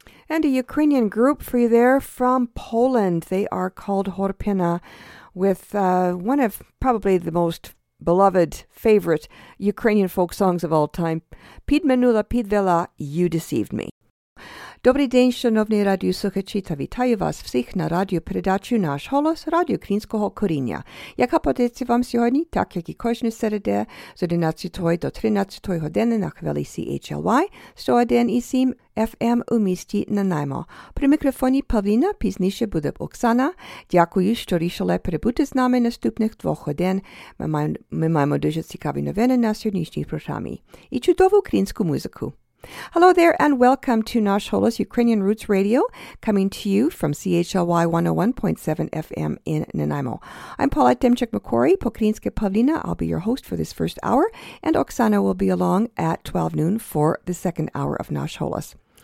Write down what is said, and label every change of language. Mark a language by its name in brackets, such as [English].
[English] and a Ukrainian group for you there from Poland. They are called Horpina, with one of probably the most beloved, favorite Ukrainian folk songs of all time, [Ukrainian] Підминула, підвела, [English] You Deceived Me. [Ukrainian] Добрий день, шановні радіослухачі, та вітаю вас всіх на радіопередачі «Наш голос» Радіо Українського коріння. Яка позиція вам сьогодні, так як і кожну середу з 11 до 13 години на хвилі CHLY, 101.7 FM у місті Нанаймо. При мікрофоні Павліна, пізніше буде Оксана. Дякую, що рішили перебути з нами наступних двох годин. Ми маємо дуже цікаві новини на сьогоднішній програмі і чудову українську музику. [English] Hello there and welcome to Nash Holos Ukrainian Roots Radio, coming to you from CHLY 101.7 FM in Nanaimo. I'm Paulette Demchuk-McCory, Pokrinska Pavlina. I'll be your host for this first hour, and Oksana will be along at 12 noon for the second hour of Nash Holos.